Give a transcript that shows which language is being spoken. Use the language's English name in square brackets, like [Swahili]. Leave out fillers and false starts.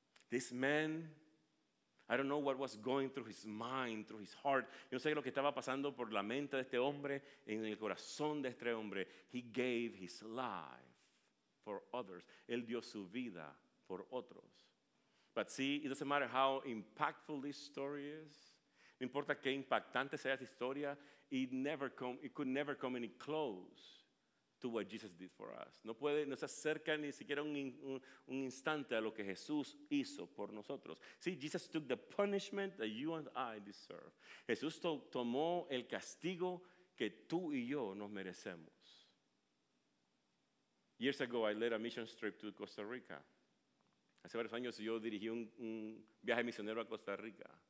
[English] This man, I don't know what was going through his mind, through his heart. [Spanish] Yo no sé lo que estaba pasando por la mente de este hombre, en el corazón de este hombre. [English] He gave his life for others. [Spanish] Él dio su vida por otros. [English] But see, it doesn't matter how impactful this story is. [Spanish] No importa qué impactante sea esta historia, [English] it could never come any close to what Jesus did for us. [Spanish] No se acerca ni siquiera un instante a lo que Jesús hizo por nosotros. [English] See, Jesus took the punishment that you and I deserve. [Spanish] Jesús tomó el castigo que tú y yo nos merecemos. [English] Years ago, I led a mission trip to Costa Rica. [Spanish] Hace varios años yo dirigí un viaje misionero a Costa Rica.